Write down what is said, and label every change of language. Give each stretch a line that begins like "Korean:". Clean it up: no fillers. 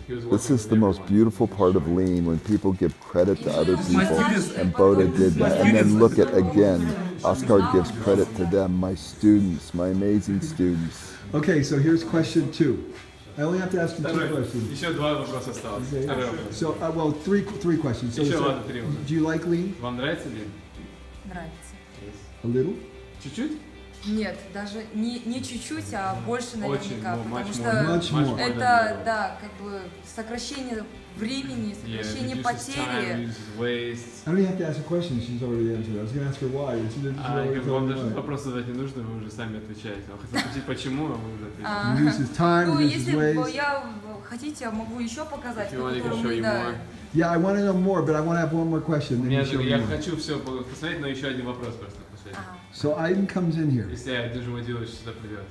English: This is the most beautiful part of Lean, when people give credit to other people. And Boda did that. And then look at again. Oscar gives credit to them, my students, my amazing students. Okay, so here's question two. I only have to ask you two questions.
Russian: Еще два вопроса осталось.
English: Okay. So, well, three questions. So, do you like Lean?
Russian: Вам нравится Lean? Нравится.
English: A little?
Russian: Чуть-чуть? Нет, даже не чуть-чуть, а больше наверняка. Очень,
English: much
Russian: потому
English: more.
Russian: Что это, да, как бы сокращение времени, сокращение потери.
English: I don't even have to ask a question, she's already answered. I was going to ask her why.
Russian: Вам даже вопрос задать не нужно, вы уже сами отвечаете. Я хотел спросить, почему, а вы уже ответили.
English: Uses time, uses waste.
Russian: Ну, если я хотите, я могу еще показать.
English: If you want to show you more. Yeah, I want to know more, but I want to have one more question.
Russian: Я хочу все посмотреть, но еще один вопрос просто.
English: So Aiden comes in here.
Russian: Если я держу водилу, сюда придет.